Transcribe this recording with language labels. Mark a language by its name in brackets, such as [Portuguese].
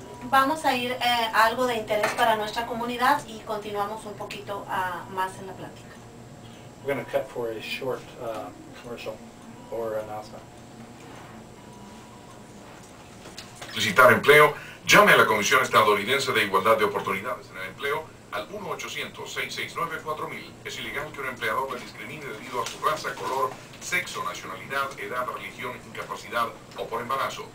[Spanish] Vamos a ir algo de interés para nuestra comunidad y continuamos un poquito más en la plática. [English] We're going to cut for a short commercial or announcement. [Spanish] Solicitar empleo. Llame a la Comisión Estadounidense de Igualdad de Oportunidades en el Empleo al 1-800-669-4000. Es ilegal que un empleador le discrimine debido a su raza, color, sexo, nacionalidad, edad, religión, incapacidad o por embarazo.